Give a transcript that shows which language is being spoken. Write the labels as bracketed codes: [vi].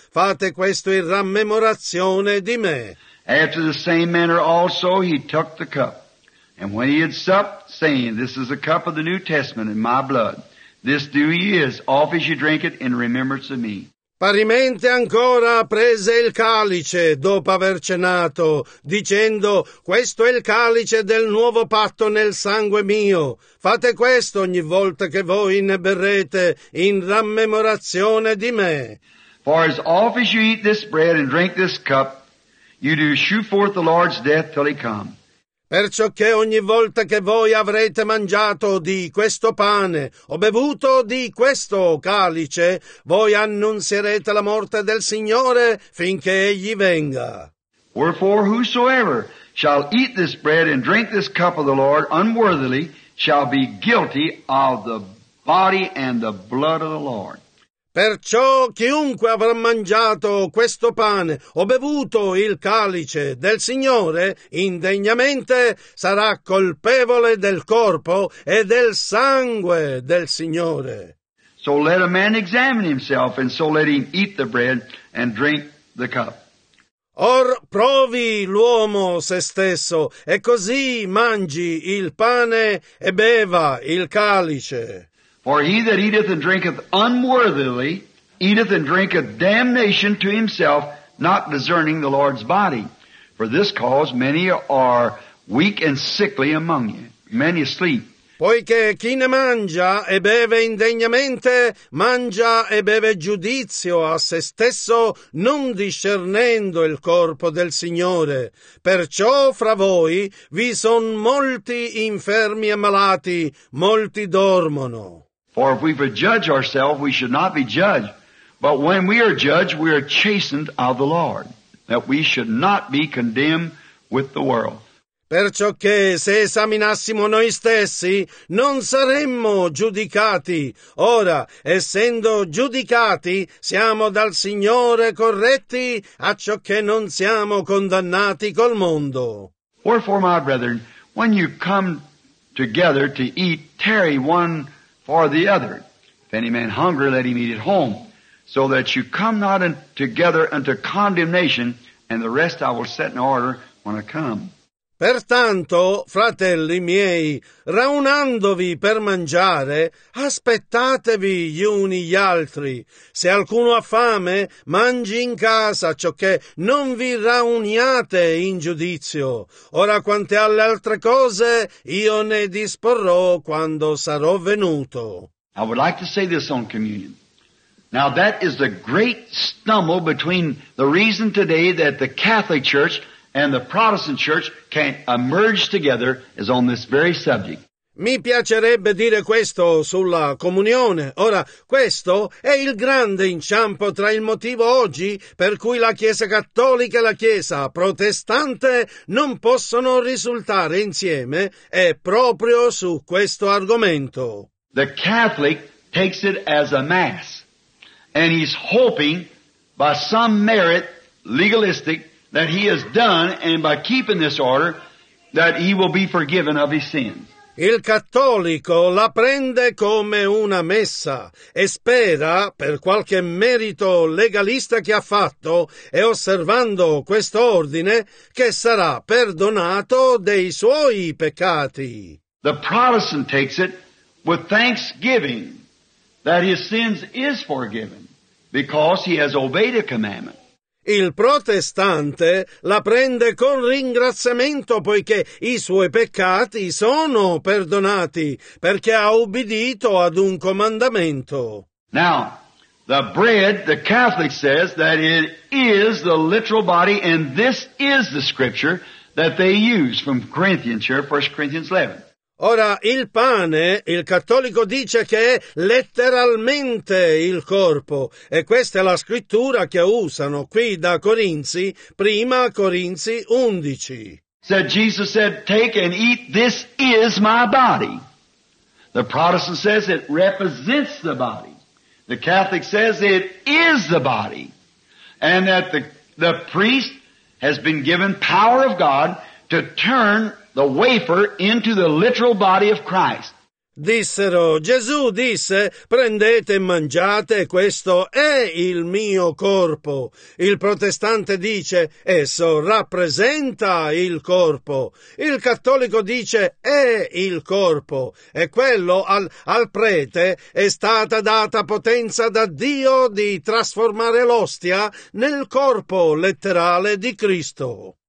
[it] Fate questo in rammemorazione di me. [en] After the same manner also he took the cup, and when he had supped, saying, This is the cup of the New Testament in my blood. This do ye as oft as you drink it in remembrance of me. [it] Parimente ancora prese il calice dopo aver cenato, dicendo, Questo è il calice del nuovo patto nel sangue mio. Fate questo ogni volta che voi ne berrete in rammemorazione di me. [en] For as oft as you eat this bread and drink this cup, you do shew forth the Lord's death till he come. [it] Perciò che ogni volta che voi avrete mangiato di questo pane o bevuto di questo calice, voi annunzierete la morte del Signore finché egli venga. [en] Wherefore, whosoever shall eat this bread and drink this cup of the Lord unworthily shall be guilty of the body and the blood of the Lord. [it] Perciò chiunque avrà mangiato questo pane o bevuto il calice del Signore indegnamente sarà colpevole del corpo e del sangue del Signore. [en] So let a man examine himself, and so let him eat the bread and drink the cup. [it] Or provi l'uomo se stesso, e così mangi il pane e beva il calice. [en] For he that eateth and drinketh unworthily, eateth and drinketh damnation to himself, not discerning the Lord's body. For this cause many are weak and sickly among you, many sleep. [it] Poiché chi ne mangia e beve indegnamente, mangia e beve giudizio a se stesso, non discernendo il corpo del Signore. Perciò fra voi vi son molti infermi e malati, molti dormono. [en] For if we judge ourselves, we should not be judged. But when we are judged, we are chastened of the Lord, that we should not be condemned with the world. [it] Perciò che se esaminassimo noi stessi, non saremmo giudicati. Ora, essendo giudicati, siamo dal Signore corretti, acciò che non siamo condannati col mondo. [en] Wherefore, my brethren, when you come together to eat, tarry one or the other. If any man hunger, let him eat at home, so that you come not together unto condemnation, and the rest I will set in order when I come. [it] Pertanto, fratelli miei, raunandovi per mangiare, aspettatevi gli uni gli altri. Se alcuno ha fame, mangi in casa, ciò che non vi rauniate in giudizio. Ora, quante alle altre cose, io ne disporrò quando sarò venuto. [en] I would like to say this on communion. Now, that is the great stumble between the reason today that the Catholic Church and the Protestant Church can emerge together is on this very subject. [it] Mi piacerebbe dire questo sulla comunione. Ora, questo è il grande inciampo tra il motivo oggi per cui la Chiesa Cattolica e la Chiesa Protestante non possono risultare insieme è proprio su questo argomento. [en] The Catholic takes it as a mass, and he's hoping by some merit legalistic that he has done, and by keeping this order, that he will be forgiven of his sins. [it] Il cattolico la prende come una messa e spera, per qualche merito legalista che ha fatto e osservando questo ordine, che sarà perdonato dei suoi peccati. [en] The Protestant takes it with thanksgiving that his sins is forgiven because he has obeyed a commandment. [it] Il protestante la prende con ringraziamento poiché i suoi peccati sono perdonati perché ha obbedito ad un comandamento. [en] Now, the bread, the Catholic says that it is the literal body, and this is the scripture that they use from Corinthians here, 1 Corinthians 11. [it] Ora, il pane, il cattolico dice che è letteralmente il corpo, e questa è la scrittura che usano qui da Corinzi, prima Corinzi 11. [en] Said Jesus said, take and eat, this is my body. The Protestant says it represents the body. The Catholic says it is the body. And that the priest has been given power of God to turn the wafer into the literal body of Christ. [it] Dissero, Gesù disse, prendete e mangiate, questo è il mio corpo. Il protestante dice, esso rappresenta il corpo. Il cattolico dice, è il corpo. E quello al prete è stata data potenza da Dio di trasformare l'ostia nel corpo letterale di Cristo.